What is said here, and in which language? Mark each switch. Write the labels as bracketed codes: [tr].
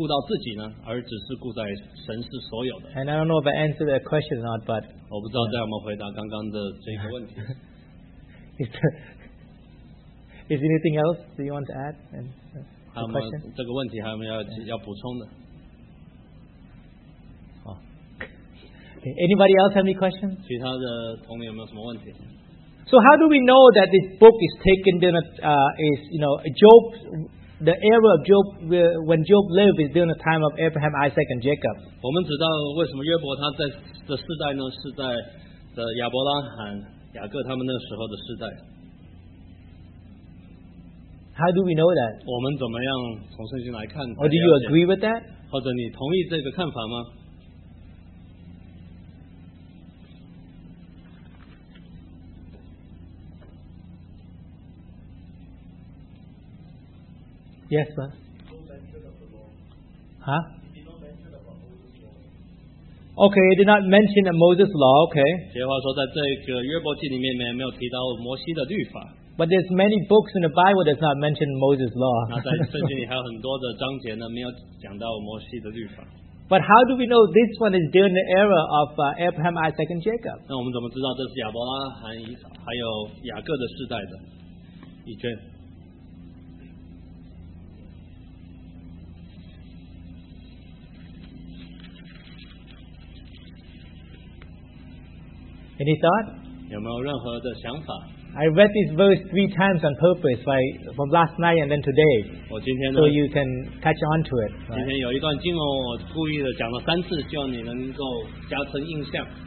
[zh] 那他就在最后呢，他跟神的关系呢，就已经他已经没有顾到自己呢，而只是顾在神是所有的。 [en] And I don't know if I answered that question or not, but [zh] 我不知道在我们回答刚刚的这个问题。 [en] Is there anything else that you want to add? And [zh] 还有没有这个问题还有没有要补充的？ [en] Okay. Anybody else have any questions? [zh] 其他的同学有没有什么问题？ [en] So how do we know that this book is taken during is you know Job, the era of Job when Job lived is during the time of Abraham, Isaac, and Jacob. [zh] 我们知道为什么约伯他在的世代呢是在亚伯拉罕、雅各他们那时候的世代。 [en] How do we know that? [zh] 我们怎么样从圣经来看？ [en] Or do you agree with that? [zh] 或者你同意这个看法吗？ [en] Yes, sir. Huh? Okay, it did not mention the Moses law, okay. But there's many books in the Bible that's not mentioned Moses law. But how do we know this one is during the era of Abraham, Isaac, and Jacob? [zh] 那我们怎么知道这是亚伯拉罕还有雅各的世代的? [en] Any thought? [zh] 有没有任何的想法? [en] I read this verse 3 times on purpose, right, from last night and then today. [zh] 我今天呢, [en] so you can catch on to it. Right? [zh] 今天有一段经文我故意的讲了三次, 希望你能够加深印象。